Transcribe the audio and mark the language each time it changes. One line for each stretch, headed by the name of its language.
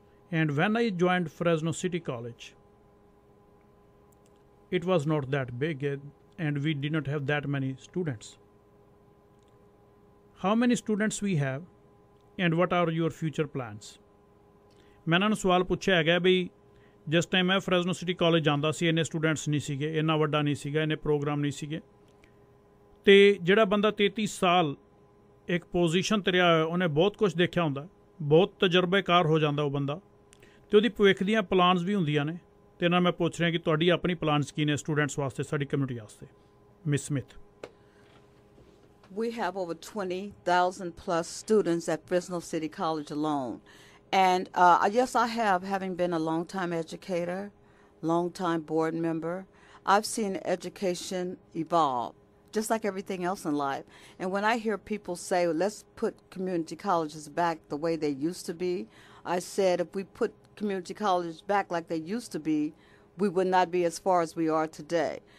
English: And when I joined Fresno City College, it was not that big and we did not have that many students. How many students we have and what are your future plans?
Punjabi: ਮੈਂ ਇਹਨਾਂ ਨੂੰ ਸਵਾਲ ਪੁੱਛਿਆ ਹੈਗਾ ਬਈ ਜਿਸ time ਮੈਂ ਫਰੈਜ਼ਨੋ city college ਜਾਂਦਾ ਸੀ, ਇੰਨੇ ਸਟੂਡੈਂਟਸ ਨਹੀਂ ਸੀਗੇ, ਇੰਨਾ ਵੱਡਾ ਨਹੀਂ ਸੀਗਾ, ਇੰਨੇ ਪ੍ਰੋਗਰਾਮ ਨਹੀਂ ਸੀਗੇ, ਅਤੇ ਜਿਹੜਾ ਬੰਦਾ 33 ਸਾਲ ਇੱਕ ਪੋਜੀਸ਼ਨ 'ਤੇ ਰਿਹਾ ਹੋਇਆ, ਉਹਨੇ ਬਹੁਤ ਕੁਝ ਦੇਖਿਆ ਹੁੰਦਾ, ਬਹੁਤ ਤਜਰਬੇਕਾਰ ਹੋ ਜਾਂਦਾ ਉਹ ਬੰਦਾ, ਅਤੇ ਉਹਦੀ ਭਵਿੱਖ ਦੀਆਂ ਪਲਾਨਸ ਵੀ ਹੁੰਦੀਆਂ ਨੇ. ਅਤੇ ਨਾਲ ਮੈਂ ਪੁੱਛ ਰਿਹਾ ਕਿ ਤੁਹਾਡੀ ਆਪਣੀ ਪਲਾਨਸ ਕੀ ਨੇ ਸਟੂਡੈਂਟਸ ਵਾਸਤੇ, ਸਾਡੀ ਕਮਿਊਨਿਟੀ ਵਾਸਤੇ?
English: Miss Smith, we have over 20,000 plus students at Fresno City College alone. And yes, I have, having been a long-time educator, long-time board member, I've seen education evolve, just like everything else in life. And when I hear people say, let's put community colleges back the way they used to be, I said, if we put community colleges back like they used to be, we would not be as far as we are today.